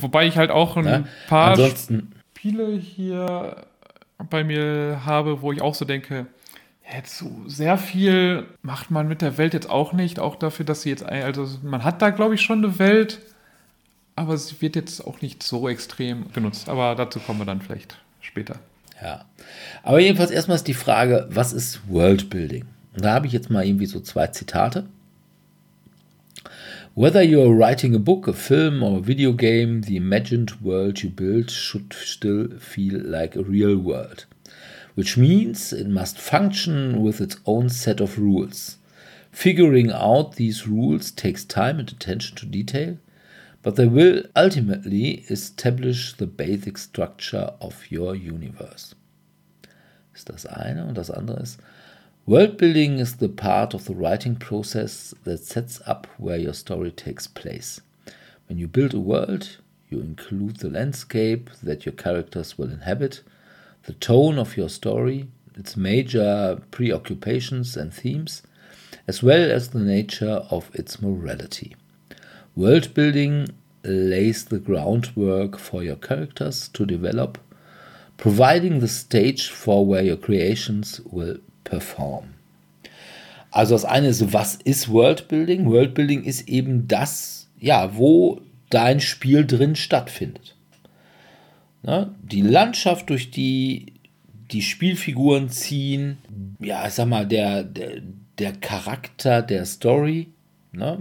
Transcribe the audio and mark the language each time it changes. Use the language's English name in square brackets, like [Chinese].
[German] wobei ich halt auch ein, ne, paar ansonsten Spiele hier bei mir habe, wo ich auch so denke, jetzt so sehr viel macht man mit der Welt jetzt auch nicht, auch dafür, dass sie jetzt, also man hat da glaube ich schon eine Welt, aber sie wird jetzt auch nicht so extrem genutzt, aber dazu kommen wir dann vielleicht später. Ja, aber jedenfalls erstmal ist die Frage, was ist Worldbuilding? Und da habe ich jetzt mal irgendwie so zwei Zitate. [English] Whether you're writing a book, a film or a video game, the imagined world you build should still feel like a real world. Which means it must function with its own set of rules. Figuring out these rules takes time and attention to detail, but they will ultimately establish the basic structure of your universe. [German] Ist das eine, und das andere ist, [English] Worldbuilding is the part of the writing process that sets up where your story takes place. When you build a world, you include the landscape that your characters will inhabit, the tone of your story, its major preoccupations and themes, as well as the nature of its morality. Worldbuilding lays the groundwork for your characters to develop, providing the stage for where your creations will perform. [German] Also das eine ist, was ist Worldbuilding? Worldbuilding ist eben das, ja, wo dein Spiel drin stattfindet. Ne? Die Landschaft, durch die die Spielfiguren ziehen, ja, ich sag mal, der Charakter der Story, ne?